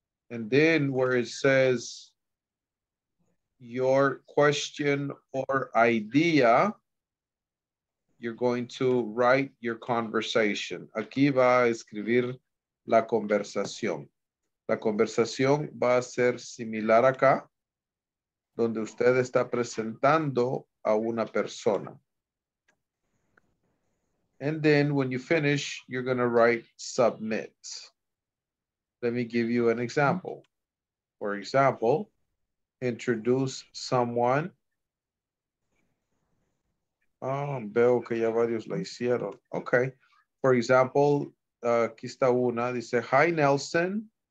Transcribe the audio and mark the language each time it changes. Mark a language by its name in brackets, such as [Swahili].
[English] And then where it says your question or idea, you're going to write your conversation. [Spanish] Aquí va a escribir la conversación. La conversación va a ser similar acá, donde usted está presentando a una persona. [English] And then when you finish, you're going to write submit. Let me give you an example. For example, introduce someone. [Spanish] Oh, veo que ya varios la hicieron. Okay. [English] For example, [Spanish] aquí está una, dice, hi, Nelson.